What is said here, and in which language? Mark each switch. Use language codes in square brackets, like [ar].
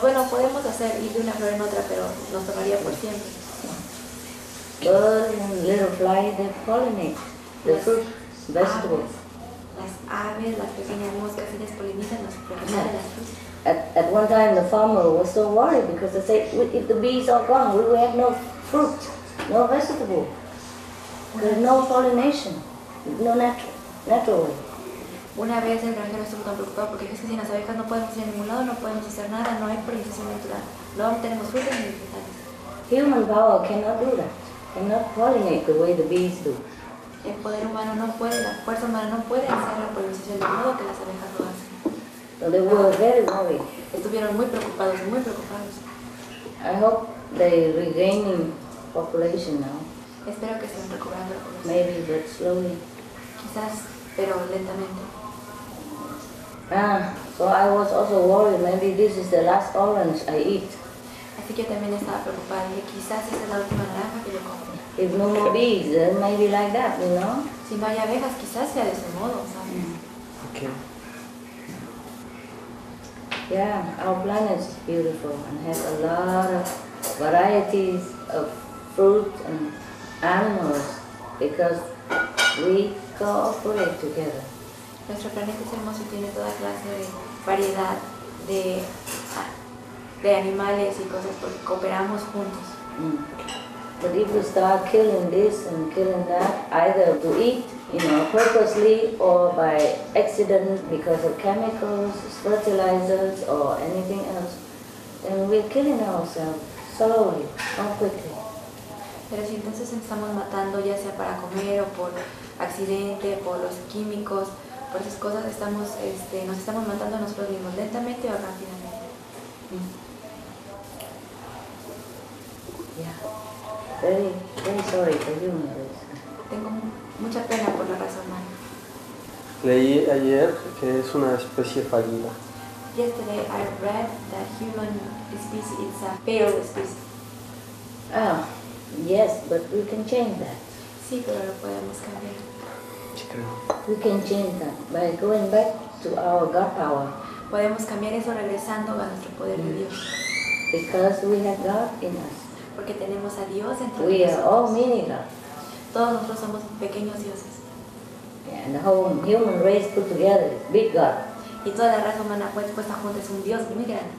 [es] Podemos hacer ir de una flor en otra, pero nos tomaría por siempre. [en] Birds and little flies they pollinate the fruit, vegetables. [es] Las aves, las pequeñas moscas, ellas polinizan los frutos. [en] At one time, the farmer was so worried because they said, if the bees are gone, we will have no fruit, no vegetable. There's no pollination, no natural. [es] Una vez el granjero estuvo tan preocupado porque dijo que sin las abejas no podemos ir a ningún lado, no podemos hacer nada, no hay polinización natural. No tenemos frutos ni vegetales. [en] Human power cannot do that, cannot pollinate the way the bees do. [es] El poder humano no puede, la fuerza humana no puede hacer la polinización del modo que las abejas lo hacen. [en] So they were very worried. [es] Estuvieron muy preocupados. [en] I hope they're regaining population now. [es] Espero que estén recuperando la población. [en] Maybe, but slowly. [es] Quizás, pero lentamente. [en] Ah, so I was also worried. Maybe this is the last orange I eat. [es] Así que también estaba preocupada. Y quizás esta es la última naranja que yo compro. [en] If no more bees, then maybe like that, you know? [es] Si no hay abejas, quizás sea de ese modo, ¿sabes? Mm. [en] Okay. Yeah, our planet is beautiful and has a lot of varieties of fruit and animals because we cooperate together. [es] Nuestro planeta es hermoso y tiene toda clase de variedad de animales y cosas porque cooperamos juntos. Mm. [en] But if you start killing this and killing that, either to eat, you know, purposely or by accident because of chemicals, fertilizers or anything else, then we're killing ourselves slowly, not quickly. [es] Pero si entonces estamos matando ya sea para comer o por accidente, por los químicos, por esas cosas, estamos, nos estamos matando a nosotros mismos lentamente o rápidamente. Mm. [en] Yeah. Very, very sorry for you, Marisa. [es] Tengo mucha pena por la raza humana. Leí ayer que es una especie fallida. [en] Yesterday I read that human species is a failed species. Oh. Yes, but we can change that. [es] Sí, pero lo podemos cambiar. [en] We can change that by going back to our God power. [es] Podemos cambiar eso regresando a nuestro poder de Dios. Because we have God in us. Porque tenemos a Dios entre nosotros. [en] We are all mini gods. [es] Todos nosotros somos pequeños dioses. [en] Yeah, and the whole human race put together is big God. [es] Y toda la raza humana puesta junta es un Dios muy grande.